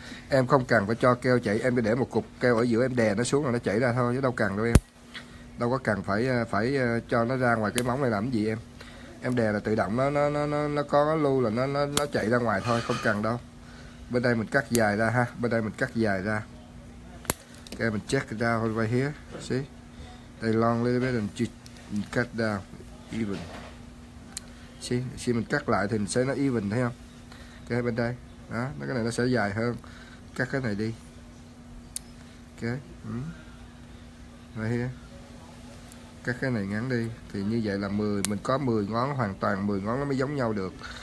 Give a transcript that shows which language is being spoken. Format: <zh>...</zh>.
<vi>Em không cần phải cho keo chảy, em cứ để một cục keo ở giữa, em đè nó xuống là nó chảy ra thôi, chứ đâu cần đâu em. Đâu có cần phải cho nó ra ngoài cái móng này làm gì em. Em đè là tự động nó có lưu là nó chạy ra ngoài thôi, không cần đâu. Bên đây mình cắt dài ra ha, bên đây mình cắt dài ra.</vi> <en>Ok,</en> <vi>mình</vi> <en>check it out right here, see? They long little bit and cut down even.</en> <vi>See, khi mình cắt lại thì mình sẽ nó even, thấy không? Ok, bên đây. Đó, nó cái này nó sẽ dài hơn. Cắt cái này đi. Ok.</vi> <en>Right here.</en> <vi>Cắt cái này ngắn đi. Thì như vậy là 10, mình có 10 ngón hoàn toàn, 10 ngón nó mới giống nhau được.</vi>